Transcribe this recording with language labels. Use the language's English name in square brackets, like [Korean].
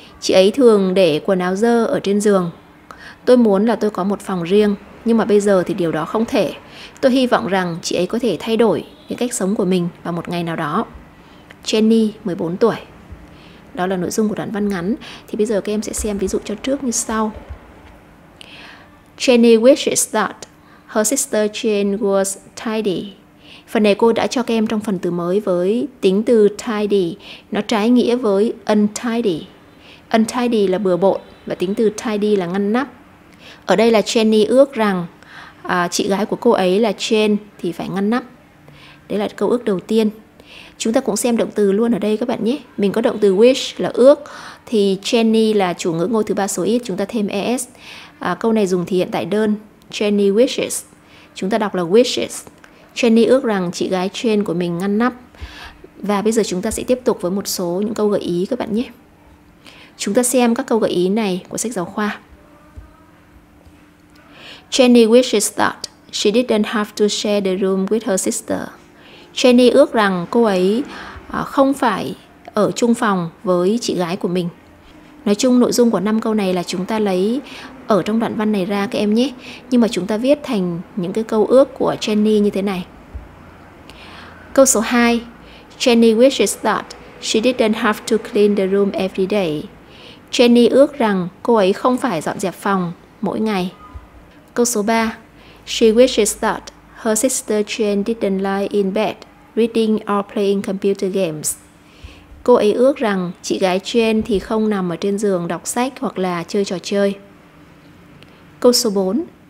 [Vietnamese] Chị ấy thường để quần áo dơ ở trên giường. Tôi muốn là tôi có một phòng riêng, nhưng mà bây giờ thì điều đó không thể. Tôi hy vọng rằng chị ấy có thể thay đổi cái cách sống của mình vào một ngày nào đó. Jenny, 14 tuổi. Đó là nội dung của đoạn văn ngắn. Thì bây giờ các em sẽ xem ví dụ cho trước như sau. [English] Jenny wishes that her sister Jane was tidy. [Vietnamese] Phần này cô đã cho các em trong phần từ mới với tính từ tidy. Nó trái nghĩa với untidy. Untidy là bừa bộn và tính từ tidy là ngăn nắp. Ở đây là Jenny ước rằng chị gái của cô ấy là Jane thì phải ngăn nắp. Đấy là câu ước đầu tiên. Chúng ta cũng xem động từ luôn ở đây các bạn nhé. Mình có động từ wish là ước. Thì Jenny là chủ ngữ ngôi thứ ba số ít. Chúng ta thêm es. Câu này dùng thì hiện tại đơn. [English] Jenny wishes. [Vietnamese] Chúng ta đọc là wishes. Jenny ước rằng chị gái Jane của mình ngăn nắp. Và bây giờ chúng ta sẽ tiếp tục với một số những câu gợi ý các bạn nhé. Chúng ta xem các câu gợi ý này của sách giáo khoa. [English] Jenny wishes that she didn't have to share the room with her sister. [Vietnamese] Jenny ước rằng cô ấy không phải ở chung phòng với chị gái của mình. Nói chung nội dung của 5 câu này là chúng ta lấy ở trong đoạn văn này ra các em nhé. Nhưng mà chúng ta viết thành những cái câu ước của Jenny như thế này. Câu số 2. [English] Jenny wishes that she didn't have to clean the room every day. [Vietnamese] Jenny ước rằng cô ấy không phải dọn dẹp phòng mỗi ngày. Câu số 3. [English] She wishes that her sister Jane didn't lie in bed reading or playing computer games. [Vietnamese] Cô ấy ước rằng chị gái Jane thì không nằm ở trên giường đọc sách hoặc là chơi trò chơi. Câu số 4.